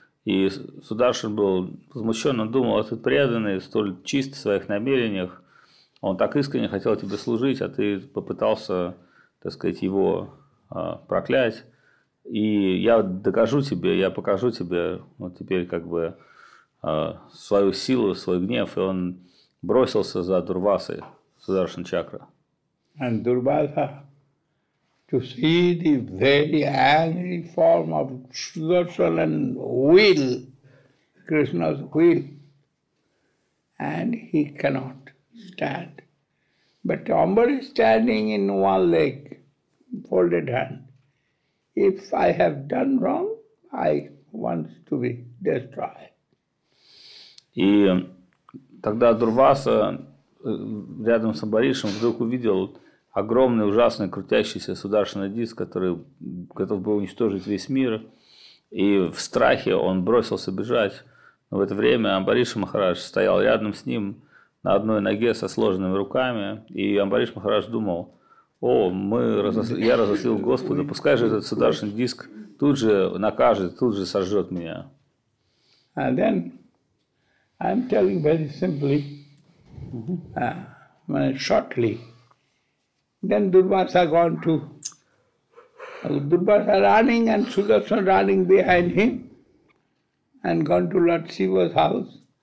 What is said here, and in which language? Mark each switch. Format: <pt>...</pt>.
<ru>И Сударшан был возмущен, он думал, этот преданный столь чист в своих намерениях, он так искренне хотел тебе служить, а ты попытался, так сказать, его проклять. И я докажу тебе, я покажу тебе вот теперь как бы свою силу, свой гнев. И он бросился за Дурвасой, Сударшан чакра.</ru> <en>And Durvasa, to see the very angry form of Sudarshan and will, Krishna's will, and he cannot stand. But Ambarish standing in one leg, folded hand. If I have done wrong, I want to be destroyed.</en> <ru>И тогда Дурваса рядом с Амбаришем вдруг увидел огромный, ужасный, крутящийся сударшинный диск, который готов был уничтожить весь мир. И в страхе он бросился бежать. Но в это время Амбариш Махарадж стоял рядом с ним, на одной ноге со сложенными руками, и Амбариш Махарадж думал, я разозлил Господа, пускай же этот сударшан диск тут же накажет, тут же сожжет меня.</ru> <en>And then, I'm telling very simply, shortly, then Durvasa gone to, Durvasa running and Sudarshan running behind him, and gone to Lord Shiva's house.</en>